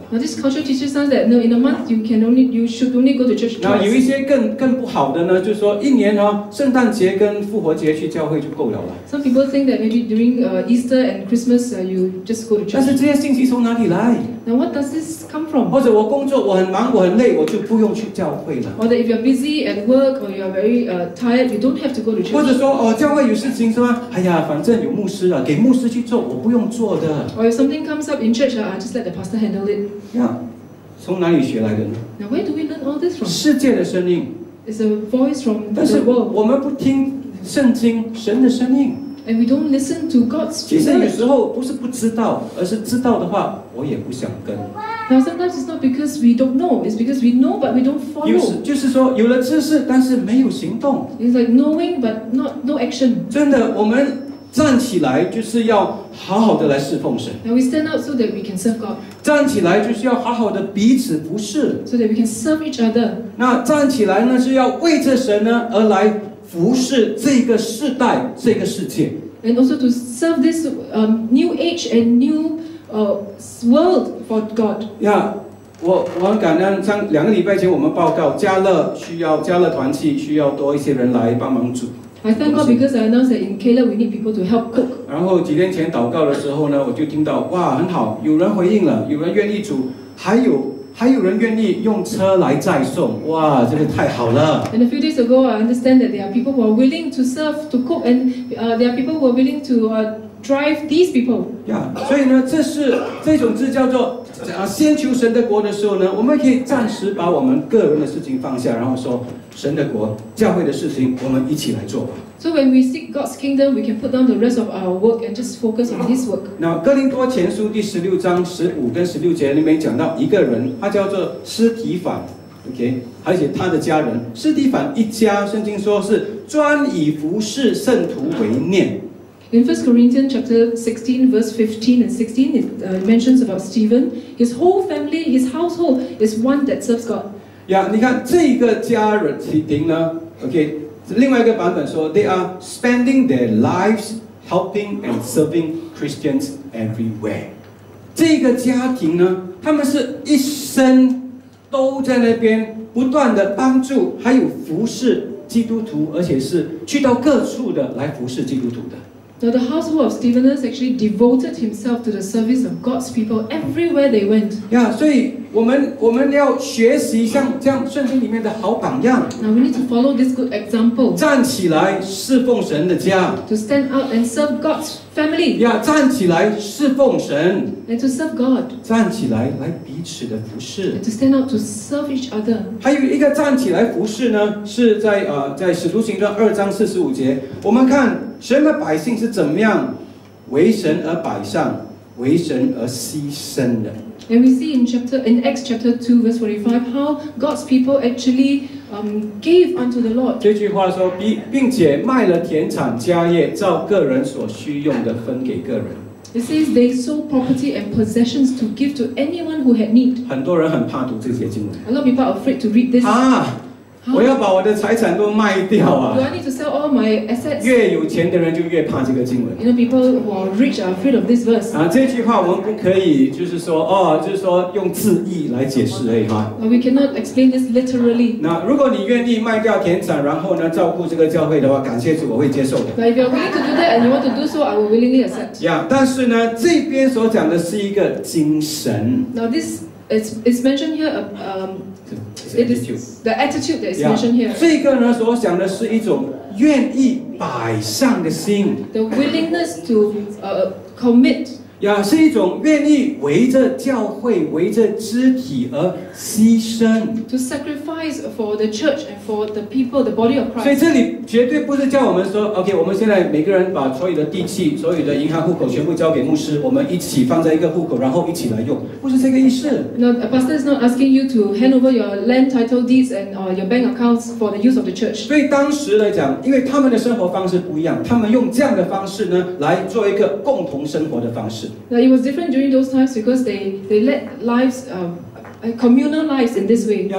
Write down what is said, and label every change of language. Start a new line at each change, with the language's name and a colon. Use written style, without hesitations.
English: Now this culture teaches us that no, in a month you can only you should only go to church twice.
Chinese: 那有一些更不好的呢，就是说一年哦，圣诞节跟复活节去教会就够了。
English: Some people think that maybe during Easter and Christmas you just go to church.
Chinese: 但是这些信息从哪里来
English: ？Now what does this come from?
Chinese: 或者我工作我很忙我很累，我就不用去教会了。
English: Or that if you're busy at work or you're very tired, you don't have to go to church.
Chinese: 或者说哦，教会有事情是吗？哎呀，反正有牧师啊，给牧师去做，我不用做的。
English: Or if something comes up in church, I just let the pastor handle it.
Chinese: 从哪里学来的呢
English: Now, where do we learn all this from?
Chinese: 世界的声音
English: It's a voice from the world
Chinese: 但是我们不听圣经神的声音
English: And we don't listen to God's spirit
Chinese: 其实有时候不是不知道而是知道的话我也不想跟
English: Now sometimes it's not because we don't know It's because we know but we don't follow
Chinese: 就是说有了知识但是没有行动
English: It's like knowing but not, no action
Chinese: 真的我们站起来就是要好好的来侍奉神
English: Now we stand up so that we can serve God
Chinese: 站起来就是要好好的彼此服侍
English: So that we can serve each other
Chinese: 那站起来呢是要为着神呢而来服侍这个世代这个世界
English: And also to serve this new age and new world for God
Chinese: Yeah, 我很感恩像两个礼拜前我们报告加勒团契需要多一些人来帮忙煮
English: I thank God because I announced that in Caleb we need people to help cook.
Chinese: 然后几天前祷告的时候呢，我就听到哇，很好，有人回应了，有人愿意煮，还有人愿意用车来载送，哇，这个太好了。
English: And a few days ago, I understand that there are people who are willing to serve to cook, and there are people who are willing to drive these people.
Chinese: Yeah, 所以呢，这种叫做先求神的国的时候呢，我们可以暂时把我们个人的事情放下，然后说。神的国教会的事情我们一起来做吧
English: So when we seek God's kingdom We can put down the rest of our work And just focus on His work
Chinese: Now 哥林多前书第十六章十五跟十六节里面讲到一个人他叫做斯提凡 OK 而且他的家人斯提凡一家圣经说是专以服侍圣徒为念
English: In 1 Corinthians chapter 16 verse 15 and 16 it mentions about Stephen His whole family His household is one that serves God
Chinese: Yeah, 你看这个家人提丁呢 ，OK， 另外一个版本说 ，
English: they are spending their lives helping and serving Christians everywhere。
Chinese: 这个家庭呢，他们是一生都在那边不断的帮助，还有服侍基督徒，而且是去到各处的来服侍基督徒的。
English: Now the household of Stephenus actually devoted himself to the service of God's people everywhere they went.
Chinese: Yeah, 所以我们要学习像这样圣经里面的好榜样。
English: Now we need to follow this good example.
Chinese: 站起来侍奉神的家。
English: To stand up and serve God's family.
Chinese: Yeah, 站起来侍奉神。
English: And to serve God.
Chinese: 站起来来彼此的服侍。
English: And to stand up to serve each other.
Chinese: 还有一个站起来服侍呢，是在在使徒行传二章四十五节，我们看。神的百姓是怎么样为神而摆上，为神而牺牲的
English: ？And we see in Acts chapter 2 verse 45 how God's people actually gave unto the Lord.
Chinese: 这句话说，并且卖了田产家业，照个人所需用的分给个人。
English: It says they sold property and possessions to give to anyone who had need.
Chinese: 很多人很怕读这些经文。
English: A lot of people are afraid to read this. 啊，
Chinese: 我要把我的财产都卖掉啊。
English: Do I need to sell all my assets?
Chinese: 越有钱的人就越怕这个经文。
English: You know, people who are rich are afraid of this verse.
Chinese: 啊，这句话我们可以就是说，哦，就是说用字义来解释而已哈。
English: We cannot explain this literally.
Chinese: 那如果你愿意卖掉田产，然后呢照顾这个教会的话，感谢主，我会接受的。
English: But if you're willing to do that and you want to do so, I will willingly accept.
Chinese: Yeah, 但是呢，这边所讲的是一个精神。
English: Now this it's mentioned here. It is the attitude that is mentioned here.
Chinese: 这个呢，所讲的是一种愿意摆上的心。
English: The willingness to commit.
Chinese: 呀，是一种愿意围着教会、围着肢体而牺牲。
English: To sacrifice for the church and for the people, the body of Christ.
Chinese: 所以这里绝对不是叫我们说 ，OK， 我们现在每个人把所有的地契、所有的银行户口全部交给牧师，我们一起放在一个户口，然后一起来用。
English: No, a pastor is not asking you to hand over your land title deeds and your bank accounts for the use of the church.
Chinese: 对当时来讲，因为他们的生活方式不一样，他们用这样的方式呢来做一个共同生活的方式。
English: Now, it was different during those times because they led lives communal lives in this way.